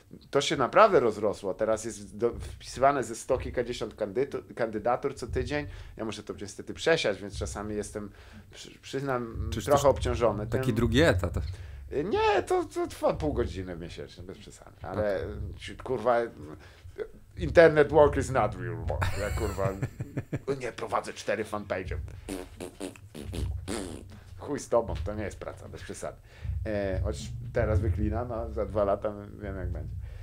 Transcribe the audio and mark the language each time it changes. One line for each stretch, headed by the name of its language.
Polish: To się naprawdę rozrosło. Teraz jest wpisywane ze 100 kilkadziesiąt kandydatur co tydzień. Ja muszę to niestety przesiać, więc czasami jestem, przyznam, trochę obciążony. Taki drugi etat. Nie, to trwa pół godziny miesięcznie, bez przesady. Ale kurwa...
English: Internet work is not real work.
Polish: Ja kurwa, nie prowadzę 4 fanpage'e. Chuj z tobą, to nie jest praca, bez przesady. Choć teraz wyklina, no za 2 lata wiem jak będzie.